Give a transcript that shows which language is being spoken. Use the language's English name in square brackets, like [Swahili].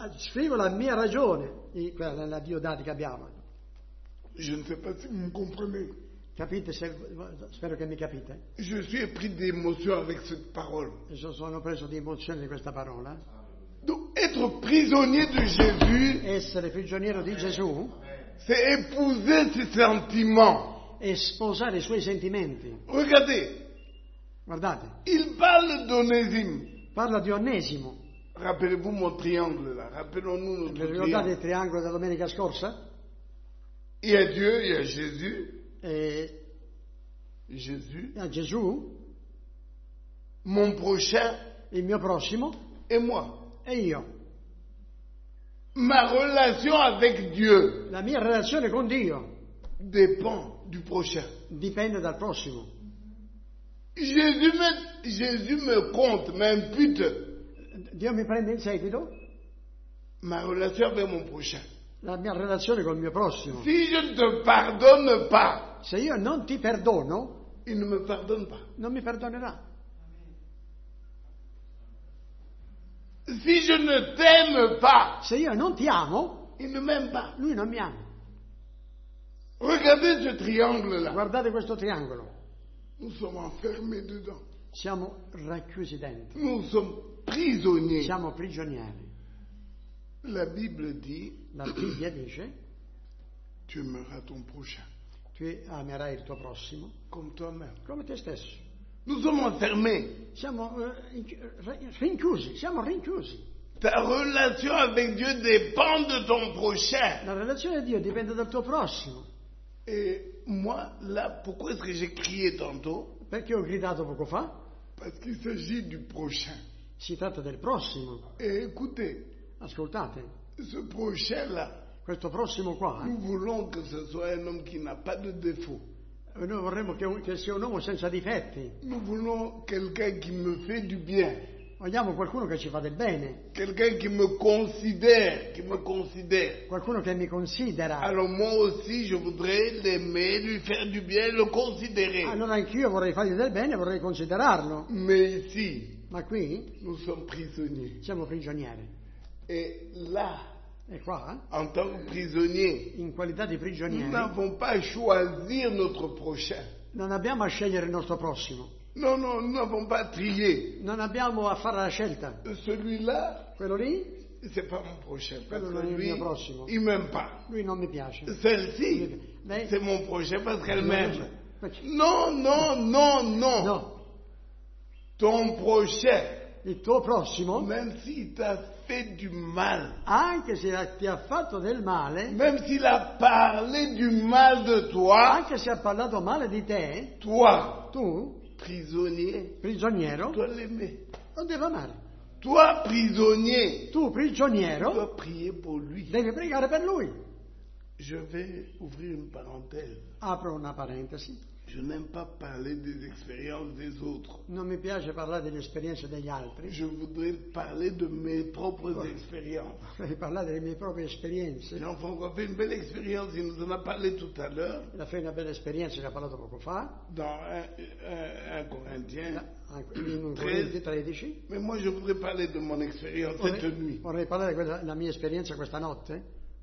[Italian] Scrivo la mia ragione, quella la diodata che abbiamo. [French] Je ne sais pas si vous comprenez. [Italian] Capite, spero che mi capite. [French] Je suis pris d'émotion avec cette parole. [Italian] Io sono preso di emozione di questa parola. [French] Donc, être prisonnier de Jésus. [Italian] Essere prigioniero di Gesù. [French] C'est épouser ses sentiments. [Italian] E sposare i suoi sentimenti. [French] Regardez. [Italian] Guardate. [French] Il parle d'Onésime. [Italian] Parla di Onesimo. [French] Rappelez-vous mon triangle là. Rappelons-nous notre triangle. [Italian] Vi ricordate il triangolo della domenica scorsa? [French] Il y a Dieu, il y a Jésus. Et Jésus. Il y a Jésus. Mon prochain. [Italian] Il mio prossimo. [French] Et moi. [Italian] E io. [French] Ma relation avec Dieu. [Italian] La mia relazione con Dio. [French] Dépend du prochain. [Italian] Dipende dal prossimo. [French] Jésus me compte, m'impute. [Italian] Dio mi prende in seguito. [French] Ma relation avec mon prochain. [Italian] La mia relazione con il mio prossimo. [French] Si je ne te pardonne pas. [Italian] Se io non ti perdono. [French] Il ne me pardonne pas. [Italian] Non mi perdonerà. [French] Si je ne t'aime pas. [Italian] Se io non ti amo. [French] Il ne m'aime pas. [Italian] Lui non mi ama. [French] Regardez ce triangle là. [Italian] Guardate questo triangolo. [French] Nous sommes enfermés dedans. [Italian] Siamo racchiusi dentro. [French] Nous sommes prisonniers. [Italian] Siamo prigionieri. [French] La Bible dit. [Italian] La Bibbia dice. [French] Tu aimeras ton prochain. [Italian] Tu amerai il tuo prossimo. [French] Comme toi-même. [Italian] Come te stesso. [French] Nous sommes enfermés. [Italian] Siamo rinchiusi. Siamo rinchiusi. [French] Ta relation avec Dieu dépend de ton prochain. [Italian] La relazione a Dio dipende dal tuo prossimo. [French] Et moi, là, pourquoi est-ce que j'ai crié tantôt? [Italian] Perché ho gridato poco fa? [French] Parce qu'il s'agit du prochain. [Italian] Si tratta del prossimo. [French] Et écoutez. [Italian] Ascoltate. [French] Ce prochain là. [Italian] Questo prossimo qua. [French] Nous voulons que ce soit un homme qui n'a pas de défaut. [Italian] Noi vorremmo che sia un uomo senza difetti. [French] Nous voulons quelqu'un qui me fait du bien. [Italian] Vogliamo qualcuno che ci fa del bene. [French] Quelqu'un qui me considère, qui me considère. [Italian] Qualcuno che mi considera. [French] Alors moi aussi je voudrais l'aimer, lui faire du bien, le considérer. [Italian] Allora anch'io vorrei fargli del bene, vorrei considerarlo. [French] Mais ici, [Italian] ma qui? [French] Nous sommes prisonniers. [Italian] Siamo prigionieri. [French] Et là. Et quoi, hein? En tant que prisonnier, [Italian] in qualità di prigionieri, [French] nous n'avons pas à choisir notre prochain. [Italian] Non abbiamo a scegliere il nostro prossimo. [French] Non, non, nous n'avons pas à trier. [Italian] Non abbiamo a fare la scelta. [French] Celui-là, [Italian] quello lì, [French] c'est pas mon prochain. [Italian] Quello non è il mio prossimo. [French] Il m'aime pas. [Italian] Lui non mi piace. [French] Celle-ci, c'est mon prochain parce qu'elle m'aime. [Italian] Non, non, non, non. Non. [French] Ton prochain. [Italian] Il tuo prossimo. [French] Même si t'as fait du mal. [Italian] Anche se ti ha fatto del male. [French] Même s'il a parlé du mal de toi. [Italian] Anche se ha parlato male di te. [French] Toi. [Italian] Tu. [French] Prisonnier. [Italian] Prigioniero. [French] Tu dois l'aimer. [Italian] Non devi amare. [French] Toi prisonnier. [Italian] Tu prigioniero. [French] Tu dois prier pour lui. [Italian] Devi pregare per lui. [French] Je vais ouvrir une parenthèse. [Italian] Apro una parentesi. [French] Je n'aime pas parler des expériences des autres. [Italian] Non mi piace parlare delle esperienze degli altri. [French] Je voudrais parler de mes propres expériences. [Italian] Vorrei parlare delle mie proprie esperienze. [French] L'enfant a fait une belle expérience, il nous en a parlé tout à l'heure. Il a fait une belle expérience, il a parlé [Italian] poco fa. [French] Dans un Corinthien. [Italian] In un 13. [French] Mais moi je voudrais parler de mon expérience cette nuit. [Italian] Vorrei parlare della mia esperienza questa notte.